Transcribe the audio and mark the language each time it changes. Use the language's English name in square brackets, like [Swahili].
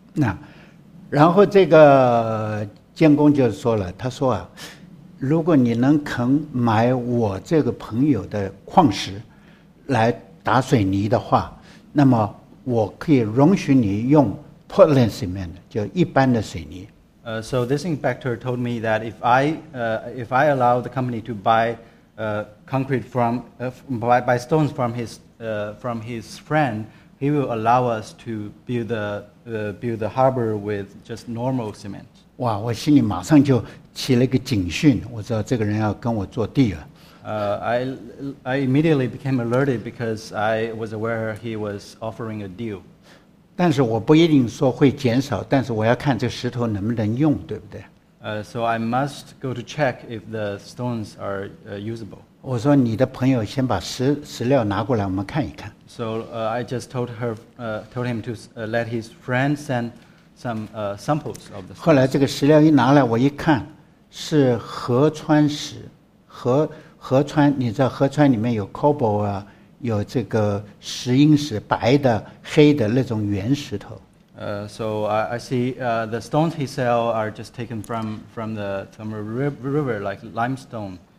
[Chinese] 那，然后这个监工就说了，他说啊，如果你能肯买我这个朋友的矿石来打水泥的话，那么我可以容许你用。 Portland cement 就一般的水泥。 [English] So this inspector told me that if I allow the company to buy concrete from buy stones from his friend, he will allow us to build the harbor with just normal cement. [Chinese] 哇，我心里马上就起了一个警讯，我知道这个人要跟我做deal。 [English] I immediately became alerted because I was aware he was offering a deal. [Chinese] 但是我不一定说会减少，但是我要看这石头能不能用，对不对？ [English] So I must go to check if the stones are usable. [Chinese] 我说你的朋友先把石料拿过来，我们看一看。 [English] So I just told him to let his friend send some samples of the stones. [Chinese] 后来这个石料一拿来，我一看是河川石，河川，你知道河川里面有 cobalt 啊，有这个石英石，白的、黑的那种圆石头。 [English] So I see the stones he sell are just taken from the Thumra River, like limestone.